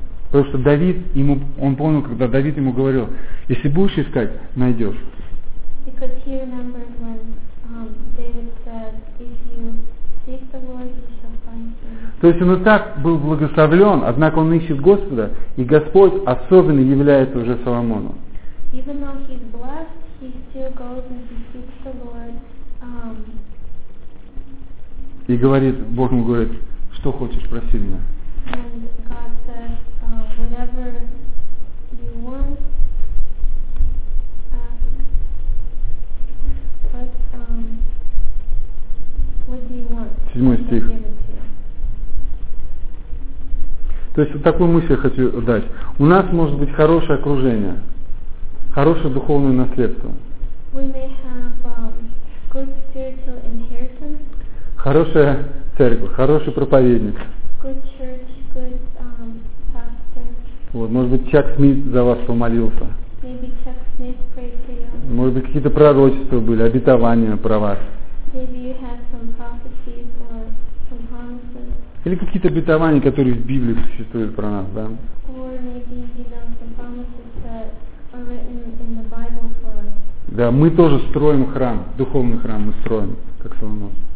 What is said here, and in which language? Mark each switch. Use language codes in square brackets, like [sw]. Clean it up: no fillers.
[ru] Потому что Давид ему, он понял, когда Давид ему говорил, если будешь искать, найдешь. [en] Because he remembered when David said, if you seek the Lord, you shall find him. [ru] То есть он и так был благословлен, однако он ищет Господа, и Господь особенно является уже Соломону. [en] Even though he's blessed, he still goes and he seeks the Lord. [ru] И говорит, Бог ему говорит, что хочешь, проси меня. [en] And God says, whatever you want, ask. But what do you want? [ru] Седьмой стих. То есть вот такую мысль я хочу дать. У нас может быть хорошее окружение, хорошее духовное наследство. [en] We may have good spiritual inheritance. [ru] Хорошая церковь, хороший проповедник. [en] Good church, good pastor. [ru] Вот, может быть, Чак Смит за вас помолился. [en] Maybe Chuck Smith prayed for you. [ru] Может быть, какие-то пророчества были, обетования про вас. [en] Maybe you have some prophecies or some promises. [ru] Или какие-то обетования, которые в Библии существуют про нас, да? [en] Or maybe you know some promises that are written in the Bible for us. [ru] Да, мы тоже строим храм, духовный храм мы строим, как Соломон.